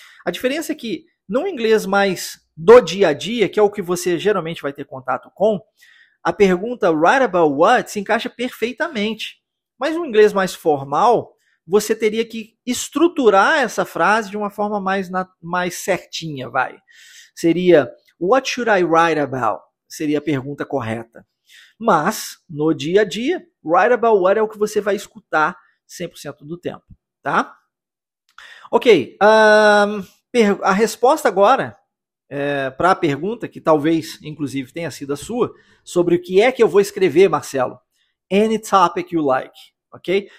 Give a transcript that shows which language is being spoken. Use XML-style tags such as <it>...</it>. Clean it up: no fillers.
<pt>A diferença é que, no inglês mais do dia a dia, que é o que você geralmente vai ter contato com, a pergunta</pt> <en>right about what</en> <pt>se encaixa perfeitamente. Mas no inglês mais formal, você teria que estruturar essa frase de uma forma mais certinha, vai. Seria,</pt> <en>what should I write about?</en> <pt>Seria a pergunta correta. Mas, no dia a dia,</pt> <en>right about what</en> <pt>é o que você vai escutar 100% do tempo, tá? Ok, a resposta agora para a pergunta, que talvez, inclusive, tenha sido a sua, sobre o que é que eu vou escrever, Marcelo,</pt> <en>any topic you like,</en> <pt>ok?</pt>